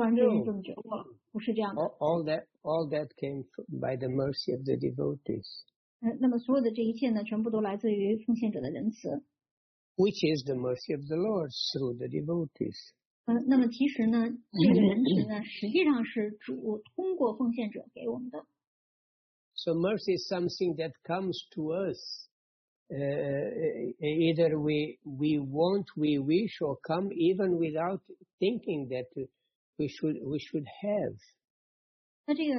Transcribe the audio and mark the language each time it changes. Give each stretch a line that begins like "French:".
Chinese: 并不是说是有一天清晨起来以后，我们突然之间就觉悟了，说啊，这是我将来以后要做的事情，就是我要开始从现在开始要服务至尊主了。自己突然之间就这么觉悟了，不是这样的。
English: All that came by the mercy of the devotees.
Chinese: 那么所有的这一切呢，全部都来自于奉献者的仁慈。
English: Which is the mercy of the Lord through the devotees.
Chinese: 那么其实呢，这个仁慈呢，实际上是主通过奉献者给我们的。
English: So mercy is something that comes to us, either we want, we wish, or come even without thinking that we should have.